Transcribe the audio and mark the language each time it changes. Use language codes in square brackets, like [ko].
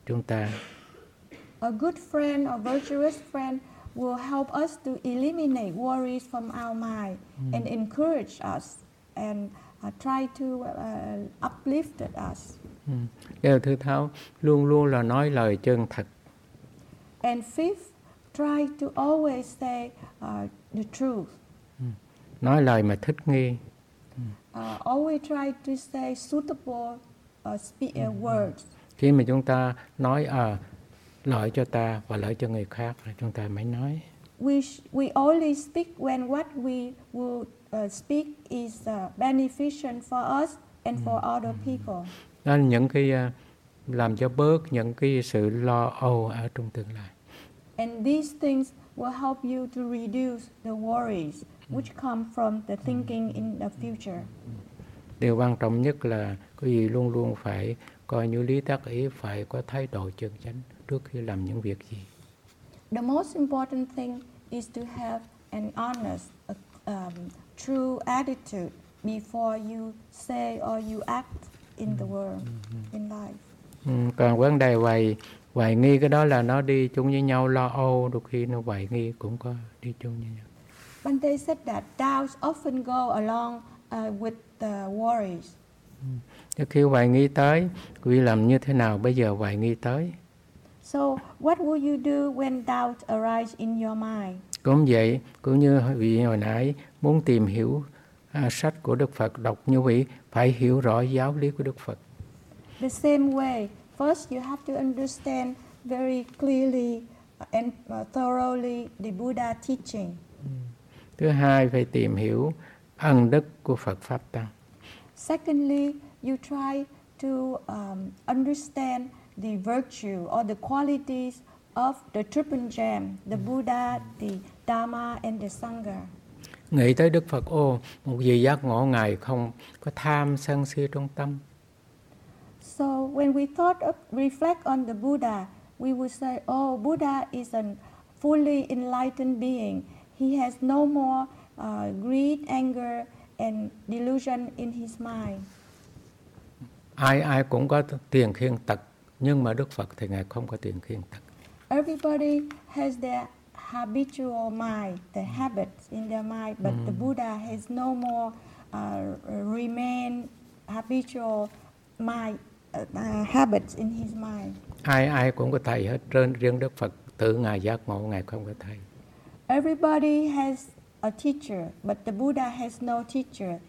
[en] A good friend or virtuous friend will help us to eliminate worries from our mind and encourage us and try to uplift us. [vi] Điều thứ sáu, luôn luôn là nói lời chân thật. [en] And fifth, try to always say the truth. [vi] Nói lời mà thích nghi. [en] Always try to say suitable words. [vi] Khi mà chúng ta nói lợi cho ta và lợi cho người khác là chúng ta mới nói. [en] We only speak when what we will speak is beneficial for us and for other people. [vi] Đó là những cái làm cho bớt những cái sự lo âu ở trong tương lai. [en] And these things will help you to reduce the worries which come from the thinking in the future. [vi] Điều quan trọng nhất là quý vị luôn luôn phải coi như lý tác ý, phải có thái độ chân chánh trước khi làm những việc gì. [en] The most important thing is to have an honest, true attitude before you say or you act in the world, in life. [vi] Còn vấn đề hoài nghi cái đó là nó đi chung với nhau, lo âu, đôi khi nó hoài nghi cũng có đi chung với nhau. [en] Bhante said that doubts often go along with the worries. [vi] Khi hoài nghi tới, quý vị làm như thế nào bây giờ hoài nghi tới? [en] So what will you do when doubt arise in your mind? [vi] Cũng vậy, cũng như vị hồi nãy muốn tìm hiểu sách của Đức Phật, đọc như vị phải hiểu rõ giáo lý của Đức Phật. [en] The same way, first you have to understand very clearly and thoroughly the Buddha teaching. [vi] Thứ hai, phải tìm hiểu ân đức của Phật Pháp Tăng. [en] Secondly, you try to understand the virtue or the qualities of the triple gem, the Buddha, the Dharma, and the Sangha. [vi] Nghĩ tới Đức Phật, ô, một vị giác ngộ ngài không có tham sân si trong tâm. [en] So when we thought of, reflect on the Buddha, we would say, oh, Buddha is a fully enlightened being. He has no more greed, anger, and delusion in his mind. [vi] Ai cũng có tiền khiên tật, nhưng mà Đức Phật thì ngài không có tiền khiên tật. [en] Everybody has their habitual mind, the habits in their mind, but the Buddha has no more remain habitual mind habits in his mind. [vi] Ai cũng có thầy hết, riêng Đức Phật tự ngài giác ngộ, ngài không có thầy. [en] Everybody has a teacher, but the Buddha has no teacher.